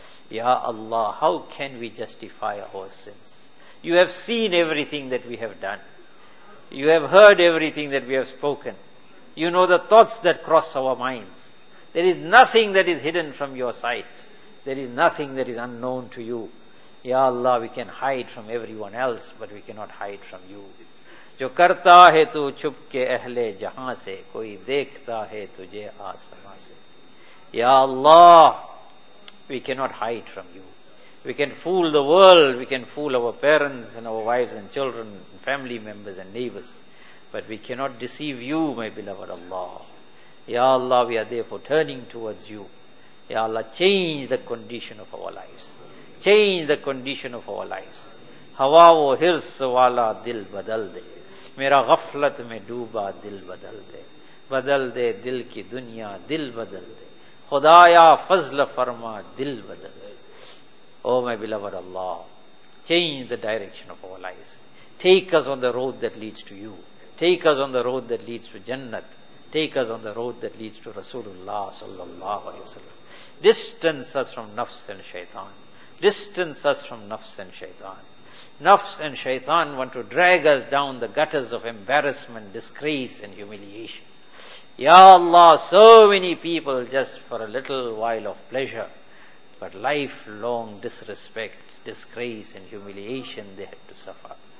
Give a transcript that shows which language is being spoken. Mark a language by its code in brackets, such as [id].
[en] Ya Allah, how can we justify our sins? You have seen everything that we have done. You have heard everything that we have spoken. You know the thoughts that cross our minds. There is nothing that is hidden from your sight. There is nothing that is unknown to you. Ya Allah, we can hide from everyone else, but we cannot hide from you. [ur] جو کرتا ہے تو چھپ کے اہل جہاں سے کوئی دیکھتا ہے تجھے آسمان سے. [en] یا Allah, we cannot hide from you. We can fool the world, we can fool our parents and our wives and children, family members and neighbors, but we cannot deceive you, my beloved Allah. Ya Allah, we are therefore turning towards you. Ya Allah, change the condition of our lives. Change the condition of our lives. [ur] ہوا وہ حرص والا دل بدل دے، میرا غفلت میں ڈوبا دل بدل دے، بدل دے دل کی دنیا دل بدل دے، خدایا فضل فرما دل بدل دے. [en] oh my beloved Allah, change the direction of our life, take us on the road that leads to you, take us on the road that leads to jannat, take us on the road that leads to Rasool Allah [ar] صلی اللہ علیہ وسلم. [en] Distance is from نفس and شیطان، distance is from نفس اینڈ شیطان. Nafs and shaitan want to drag us down the gutters of embarrassment, disgrace and humiliation. Ya Allah, so many people just for a little while of pleasure, but lifelong disrespect, disgrace and humiliation they had to suffer.